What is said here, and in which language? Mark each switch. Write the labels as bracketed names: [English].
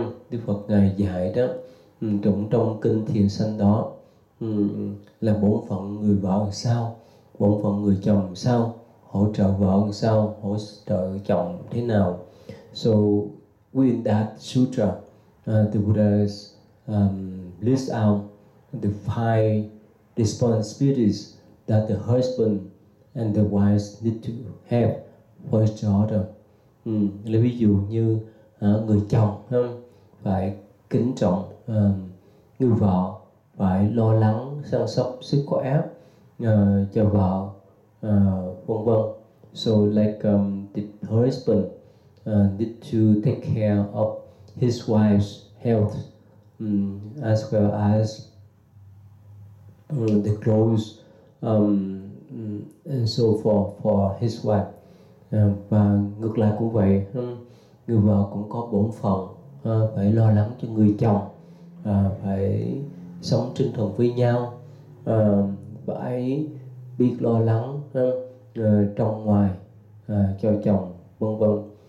[Vietnamese] Đức Phật ngài dạy đó, cũng trong kinh Thiền Sanh đó, là bổn phận người vợ làm sao, bổn phận người chồng làm sao, hỗ trợ vợ làm sao, hỗ trợ chồng thế nào. [English] So within that sutra, the Buddha lists out the five responsibilities that the husband and the wife need to have for each other. [Vietnamese] Lấy ví dụ như người chồng phải kính trọng người vợ, phải lo lắng chăm sóc sức khỏe cho vợ, vân vân. [English] So like the husband need to take care of his wife's health as well as the clothes and so forth for his wife. [Vietnamese] Và ngược lại cũng vậy, người vợ cũng có bổn phận phải lo lắng cho người chồng, phải sống trinh thuận với nhau, phải biết lo lắng trong ngoài cho chồng, vân vân.